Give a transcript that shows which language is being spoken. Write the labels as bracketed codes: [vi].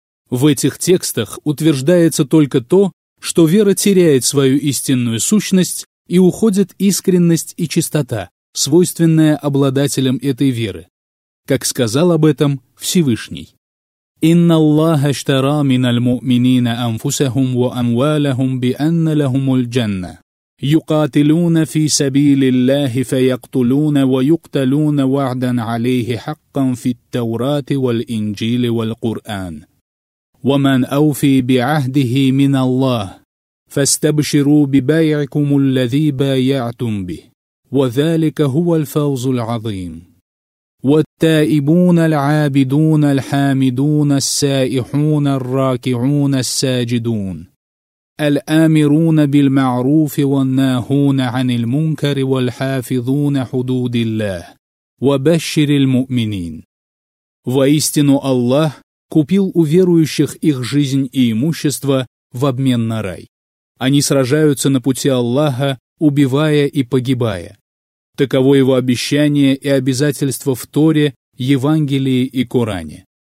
[ru] В этих текстах утверждается только то, что вера теряет свою истинную сущность и уходит искренность и чистота, свойственная обладателям этой веры. Как сказал об этом Всевышний. [ar] «Инна Аллаха штара миналь му'минина анфусахум ва амвалахум би анна лахумуль джанна». يقاتلون في سبيل الله فيقتلون ويقتلون وعدا عليه حقا في التوراة والإنجيل والقرآن ومن أوفي بعهده من الله فاستبشروا ببيعكم الذي بايعتم به وذلك هو الفوز العظيم والتائبون العابدون الحامدون السائحون الراكعون الساجدون الآمرون بالمعروف والناهون عن المنكر والحافظون حدود الله وبشر المؤمنين. [ru] Воистину Аллах купил у верующих их жизнь и имущество в обмен на рай. Они сражаются на пути Аллаха, убивая и погибая. Таково его обещание и обязательство в Торе, Евангелии и Коране.